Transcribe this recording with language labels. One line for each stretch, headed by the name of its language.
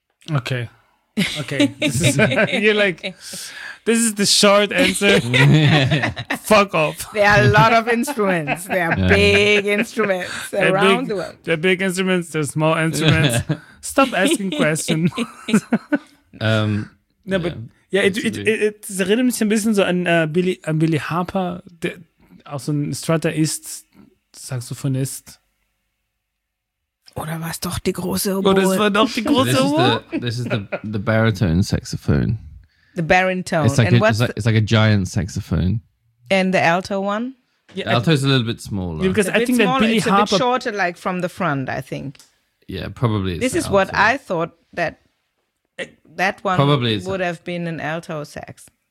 English: Okay. Okay. You're like, this is the short answer. Fuck off. There are a lot of instruments. There are big instruments around big, the world. There are big instruments. There are small instruments. Stop asking questions. No, yeah, but yeah, it
German: erinnert mich ein bisschen so an Billy Harper, der auch so ein Strutter ist, Saxophonist. Oder war es doch die große Oboe? Oder es war doch die große Oboe?
English: This is the baritone saxophone. The baritone. It's like a giant saxophone. And the alto one? Yeah, the alto is a little bit smaller. Yeah, because I think that Billy it's Harper... a bit shorter, like from the front, I think. Yeah, probably this is alto. What I thought that one probably would have been an alto sax.